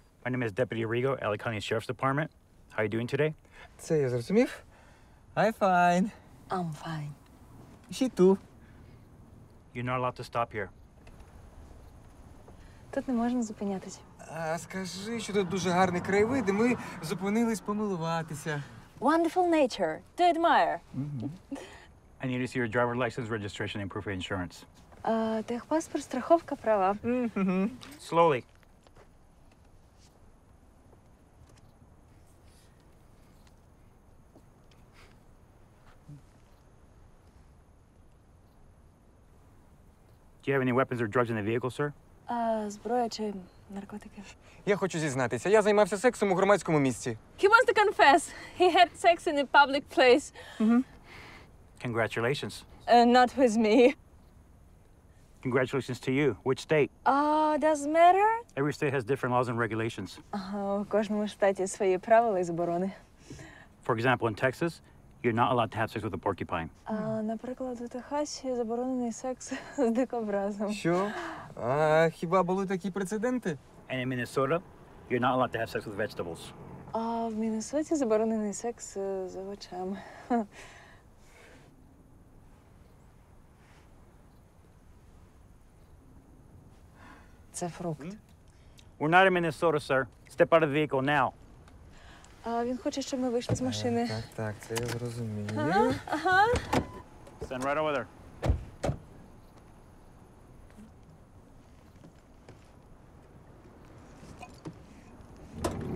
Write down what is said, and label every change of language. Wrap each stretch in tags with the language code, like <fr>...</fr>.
<en>My name is Deputy Rigo, LA County Sheriff's Department. How are you doing today?</en> <uk>Це я зрозумів.</uk> <en>I'm fine. I'm fine. She too. You're not allowed to stop here.</en> <uk>Тут не можна зупинятися. А скажи, що тут дуже гарний краєвид, і ми зупинились помилуватися.</uk> <en>Wonderful nature to admire. Mm-hmm. I need to see your driver license, registration and proof of insurance.</en> <uk>Техпаспорт, страховка, права.</uk> <en>Mm-hmm. Slowly. Do you have any weapons or drugs in the vehicle, sir?</en> <uk>Зброя чи наркотики? Я хочу зізнатися. Я займався сексом у громадському місці.</uk> <en>He wants to confess. He had sex in a public place. Mm-hmm. Congratulations. Not with me. Congratulations to you. Which state? Does matter? Every state has different laws and regulations.</en> <uk>У кожному штаті свої правила і заборони.</uk> <en>For example, in Texas, you're not allowed to have sex with a porcupine.</en> <uk>Наприклад, у Техасі заборонений секс з дикобразом. Що? Хіба були такі прецеденти?</uk> <en>And in Minnesota, you're not allowed to have sex with vegetables.</en> <uk>В Міннесоті заборонений секс з овочами. Це фрукт. Mm-hmm.</uk> <en>We're not in Minnesota, sir. Step out of the vehicle now.</en> <uk>Він хоче, щоб ми вийшли з машини. Так, це я зрозумію. Ага.</uk> <en>Stand right over there. Mm-hmm.</en>